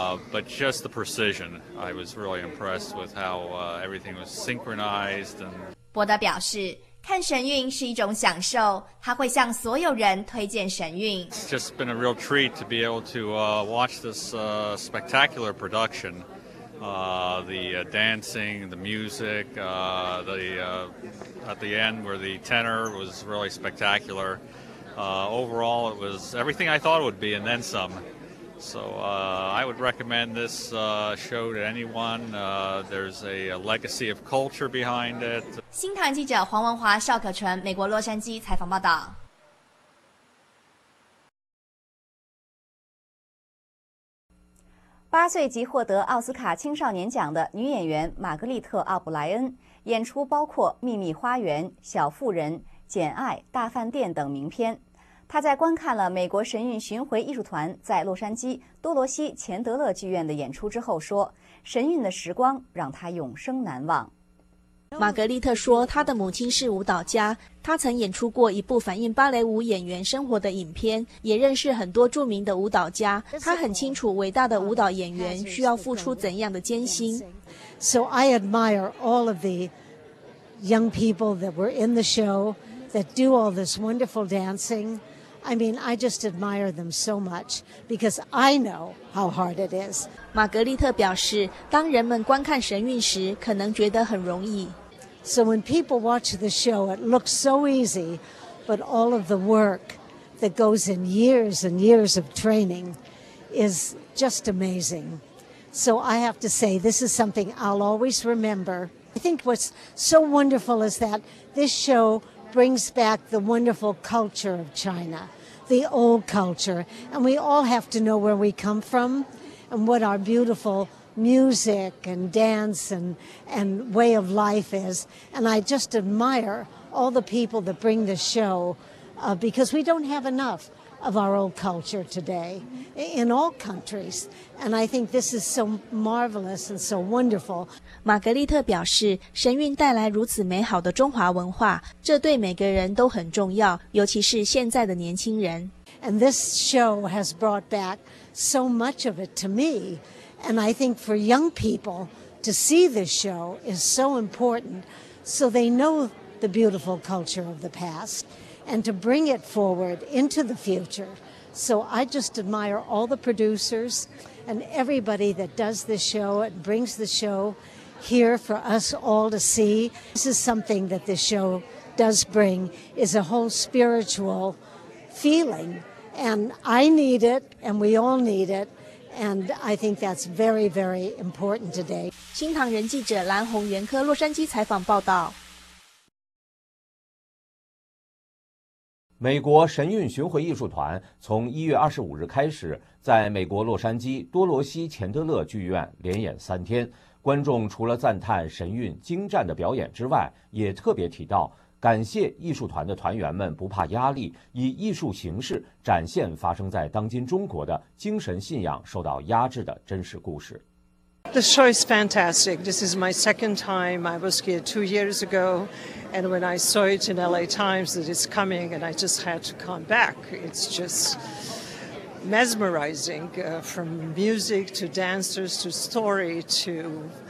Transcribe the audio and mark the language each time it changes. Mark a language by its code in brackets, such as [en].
[en] But just the precision, I was really impressed with how everything was synchronized. [zh] 伯德表示，看神韵是一种享受，他会向所有人推荐神韵。 [en] It's just been a real treat to be able to watch this spectacular production. The dancing, the music, at the end where the tenor was really spectacular. Overall, it was everything I thought it would be and then some. So I would recommend this show to anyone. There's a legacy of culture behind it. [zh] 新唐记者黄文华、邵可纯，美国洛杉矶采访报道。八岁即获得奥斯卡青少年奖的女演员玛格丽特·奥布莱恩，演出包括《秘密花园》《小妇人》《简爱》《大饭店》等名片。他在观看了美国神韵巡回艺术团在洛杉矶多罗西钱德勒剧院的演出之后说，神韵的时光让他永生难忘。玛格丽特说，她的母亲是舞蹈家，她曾演出过一部反映芭蕾舞演员生活的影片，也认识很多著名的舞蹈家，她很清楚伟大的舞蹈演员需要付出怎样的艰辛。 [en] So I admire all of the young people that were in the showthat do all this wonderful dancing. I mean, I just admire them so much because I know how hard it is. [zh] 玛格丽特表示，当人们观看神韵时，可能觉得很容易。 [en] So when people watch the show, it looks so easy, but all of the work that goes in years and years of training is just amazing. So I have to say, this is something I'll always remember. I think what's so wonderful is that this showbrings back the wonderful culture of China, the old culture, and we all have to know where we come from and what our beautiful music and dance and way of life is. And I just admire all the people that bring the show, because we don't have enough of our old culture today in all countries. And I think this is so marvelous and so wonderful. [zh] 玛格丽特表示，神韵带来如此美好的中华文化，这对每个人都很重要，尤其是现在的年轻人。 [en] And this show has brought back so much of it to me. And I think for young people to see this show is so important, so they know the beautiful culture of the past. And to bring it forward into the future. So I just admire all the producers and everybody that does this show and brings the show here for us all to see. This is something that this show does bring, is a whole spiritual feeling. And I need it, and we all need it. And I think that's very, very important today. [zh] 新唐人记者蓝红袁科洛杉矶采访报道。美国神韵巡回艺术团从1月25日开始在美国洛杉矶多罗西钱德勒剧院连演三天，观众除了赞叹神韵精湛的表演之外，也特别提到感谢艺术团的团员们不怕压力，以艺术形式展现发生在当今中国的精神信仰受到压制的真实故事。 [en] The show is fantastic. This is my second time. I was here 2 years agoAnd when I saw it in LA Times that it's coming, and I just had to come back. It's just mesmerizing, from music to dancers to story to